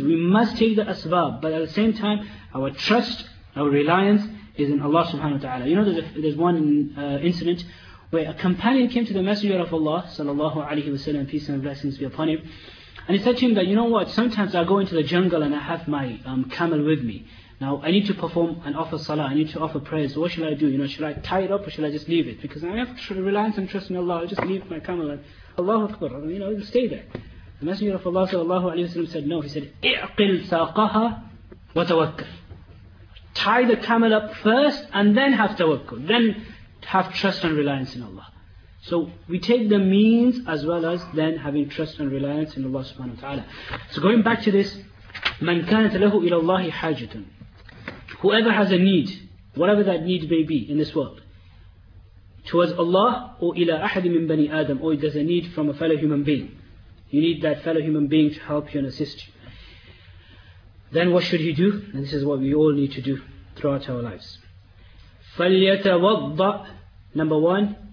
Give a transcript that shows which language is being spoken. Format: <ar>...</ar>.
<en>We must take the asbab. But at the same time, our trust, our reliance is in Allah subhanahu wa ta'ala. You know, there's one incident where a companion came to the Messenger of Allah sallallahu alayhi wa sallam, peace and blessings be upon him, and he said to him that, you know what, sometimes I go into the jungle and I have my camel with me. Now I need to perform and offer salah, I need to offer prayers. So what should I do? You know, should I tie it up or should I just leave it? Because I have reliance and trust in Allah, I'll just leave my camel and Allahu Akbar, you know, it'll stay there. The Messenger of Allah sallallahu alayhi wa sallam said no. He said,</en> <ar>اِعْقِلْ سَاقَهَا وَتَوَكَّلْ.</ar> <en>Tie the camel up first and then have tawakkul, then have trust and reliance in Allah. So we take the means as well as then having trust and reliance in Allah subhanahu wa ta'ala. So going back to this,</en> <ar>مَنْ كَانَتَ لَهُ إِلَى اللَّهِ حَاجَةٌ.</ar> <en>Whoever has a need, whatever that need may be in this world, towards Allah or</en> <ar>إِلَى أَحَدٍ مِّن بَنِي آدَمٍ,</ar> <en>or there's a need from a fellow human being, you need that fellow human being to help you and assist you, then what should he do? And this is what we all need to do throughout our lives.</en> <ar>فَلْيَتَوَضَّأ.</ar> <en>Number one,</en>